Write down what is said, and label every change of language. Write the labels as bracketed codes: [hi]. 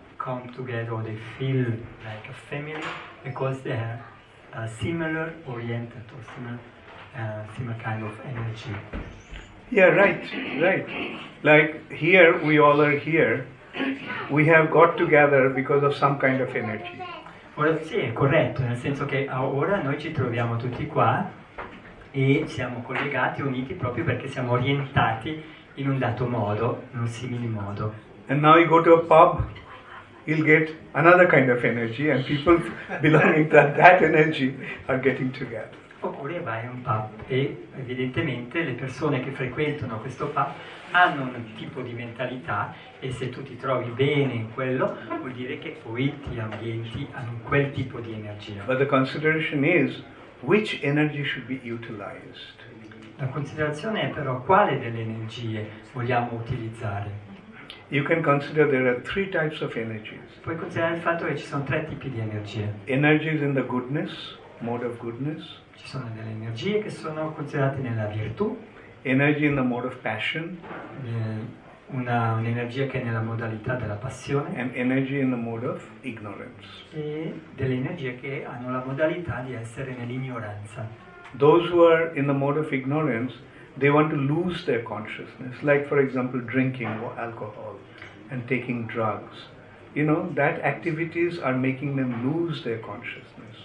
[en] come together or they feel like a family because they are similar oriented or similar kind of energy. Yeah, right. Like here, we all are here. We have got together because of some kind of energy. [it] Ora sì, è corretto, nel senso che ora noi ci troviamo tutti qua e siamo collegati, uniti proprio perché siamo orientati in un dato modo, in un simile modo. [en] And now you go to a pub, you'll get another kind of energy and people belonging to that energy are getting together. [it] Oppure vai a un pub e evidentemente le persone che frequentano questo pub hanno un tipo di mentalità e se tu ti trovi bene in quello vuol dire che poi ti ambienti a quel tipo di energia. [en] But the consideration is which energy should be utilized. [it] La considerazione è però quale delle energie vogliamo utilizzare. [en] You can consider there are three types of energies. [it] Puoi considerare il fatto che ci sono tre tipi di energie. [en] Energies in the goodness, mode of goodness. [it] Ci sono delle energie che sono considerate nella virtù. [en] Energy in the mode of passion. [it] Un'energia che è nella modalità della passione. [en] And energy in the mode of ignorance. [it] E delle energie che hanno la modalità di essere nell'ignoranza. [en] Those who are in the mode of ignorance, they want to lose their consciousness. Like for example drinking or alcohol and taking drugs. You know, that activities are making them lose their consciousness.